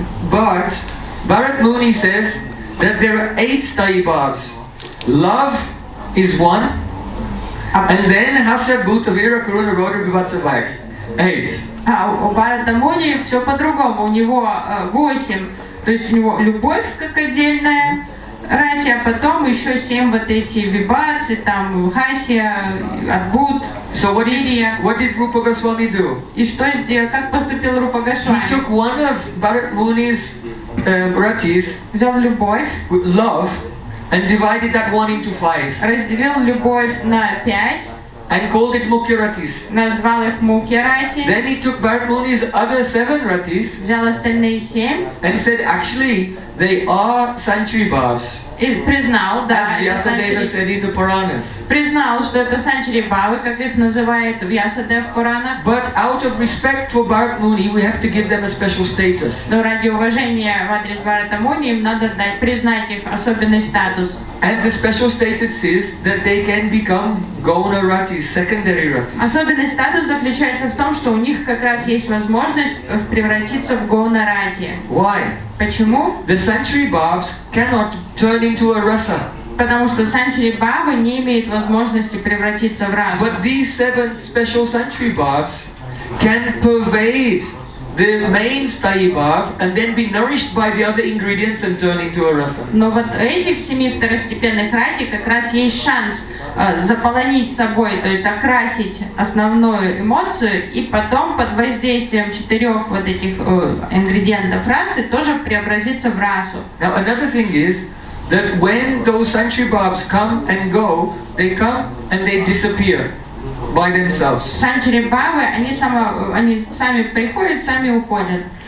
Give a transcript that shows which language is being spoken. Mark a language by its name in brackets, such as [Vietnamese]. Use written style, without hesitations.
[English] But Bharat Muni says that there are 8 Sthayi Bhavs. Love is one, And then Hasya Bhuta Vira Karuna Rodra Vibhatsa Vaik. 8. [Russian] А у Бхарата Муни все по-другому. У него 8. То есть у него любовь как отдельная рати, а потом еще 7 вот эти вибации, там Хасия, Адбут, Вирия. [English] So what did Rupa Goswami do? [Russian] И что сделал? Как поступил Рупа Госвами? [English] He took one of Bharata Muni's ratis, [Russian] взял любовь, [English] love, and divided that one into 5. [Russian] Разделил любовь на 5. [English] And called it Mukhya Ratis. [Russian] Назвал их Mukhya Rati. [English] Then he took Bharata Muni's other 7 ratis. [Russian] Взял остальные 7. [English] And said, actually, they are Sanchari Bhavs. [Russian] И признал, да. [English] As Vyasadeva said in the Puranas. [Russian] Признал, что это Sanchari Bhavs, как их называет Vyasadeva в Пуранах. [English] But out of respect for Bharata Muni, we have to give them a special status. [Russian] Но ради уважения в адрес Bharata Muni, им надо дать признать их особенный статус. [English] And the special status is that they can become Gauna Ratis, secondary Ratis. [Russian] Особенный статус заключается в том, что у них как раз есть возможность превратиться в Gauna Rati. [English] Why? [Russian] Почему? [English] The sanctuary Bhavs cannot turn into a Rasa. [Russian] Потому что sanctuary Bhavs не имеют возможности превратиться в Rasa. [English] But these 7 special sanctuary Bhavs can pervade the main sthayi bhav and then be nourished by the other ingredients and turn into a rasa. [Russian] Но вот этих 7 второстепенных рати как раз есть шанс заполонить собой, то есть окрасить основную эмоцию и потом под воздействием 4 вот этих ингредиентов расы тоже преобразиться в расу. [English] Now another thing is that when those sanctuary bhavs come and go, they come and they disappear by themselves. [Russian] Sanchari Bhavs, они сами приходят, сами уходят.